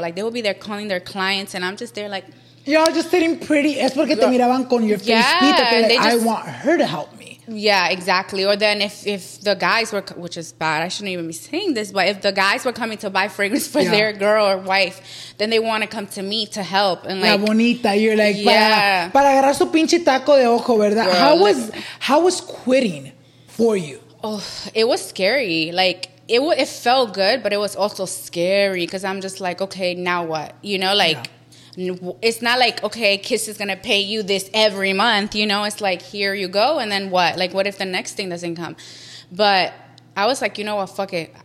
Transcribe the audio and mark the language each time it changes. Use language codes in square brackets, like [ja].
[en] Like, they would be there calling their clients, and I'm just there like... Y'all just sitting pretty. [es] Es porque te miraban con [en] your face. Yeah, and I want her to help me. Yeah, exactly. Or then if the guys were, which is bad, I shouldn't even be saying this, but if the guys were coming to buy fragrance for their girl or wife, then they want to come to me to help. And [es] la bonita, [en] you're like, [es] para agarrar su pinche taco de ojo, ¿verdad? [en] Girl, how was quitting for you? Oh, it was scary. It felt good, but it was also scary because I'm just like, okay, now what? You know, it's not like, okay, Kiss is going to pay you this every month, you know? It's like, here you go, and then what? Like, what if the next thing doesn't come? But I was like, you know what? Fuck it.